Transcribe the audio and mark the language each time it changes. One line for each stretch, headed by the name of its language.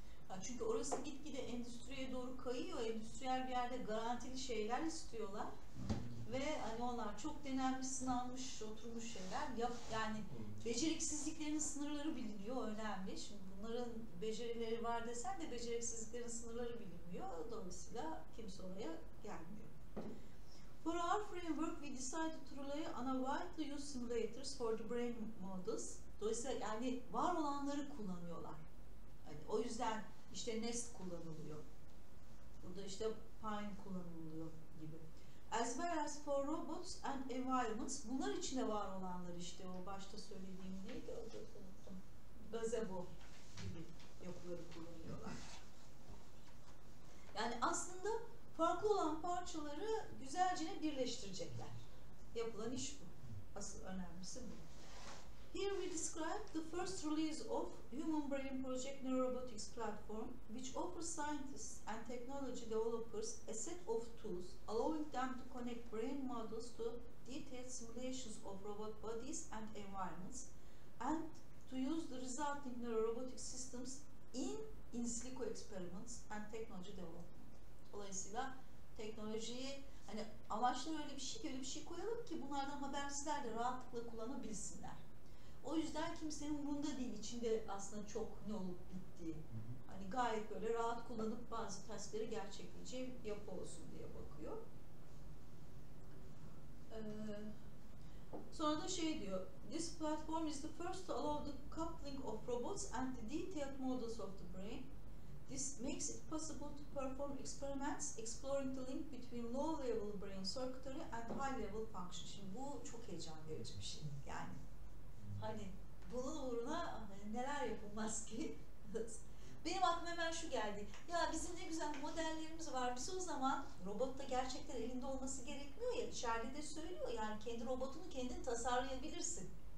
Turkish: Ya çünkü orası gitgide endüstriye doğru kayıyor. Endüstriyel bir yerde garantili şeyler istiyorlar. Ve hani onlar çok denenmiş, sınanmış, oturmuş şeyler. Yani beceriksizliklerin sınırları biliniyor, önemli. Şimdi bunların becerileri var desen de beceriksizliklerin sınırları bilinmiyor. Dolayısıyla kimse oraya gelmiyor.
English: For our framework, we decided to rely on a widely used simulators for the brain models.
Turkish: Dolayısıyla yani var olanları kullanıyorlar. Yani o yüzden işte Nest kullanılıyor. Burada işte Pine kullanılıyor gibi.
English: As well as for robots and environments,
Turkish: bunlar içinde var olanlar işte o başta söylediğim neydi, orada unuttum. Gazebo gibi yapıları kullanıyorlar. Yani aslında farklı olan parçaları güzelce birleştirecekler. Yapılan iş bu. Asıl önemlisi bu.
English: Here we describe the first release of Human Brain Project Neurobotics Platform, which offers scientists and technology developers a set of tools allowing them to connect brain models to detailed simulations of robot bodies and environments, and to use the resulting neurorobotic systems in silico experiments and technology development.
Turkish: Dolayısıyla teknolojiyi, hani amaçları öyle bir şey ki, öyle bir şey koyalım ki bunlardan habersizler de rahatlıkla kullanabilsinler. O yüzden kimsenin umurunda değil içinde aslında çok ne olup bittiği. Hani gayet böyle rahat kullanıp bazı testleri gerçekleyeceği bir yapı olsun diye bakıyor. Sonra da şey diyor.
English: This platform is the first to allow the coupling of robots and the detailed models of the brain. This makes it possible to perform experiments exploring the link between low level brain circuitry and high level function.
Turkish: Şimdi bu çok heyecan verici bir şey. Yani hani bunun uğruna hani neler yapılmaz ki? Benim aklıma hemen şu geldi. Ya bizim ne güzel modellerimiz var. Biz o zaman robotta gerçekten elinde olması gerekmiyor ya. İçeride de söylüyor. Yani kendi robotunu kendin tasarlayabilirsin.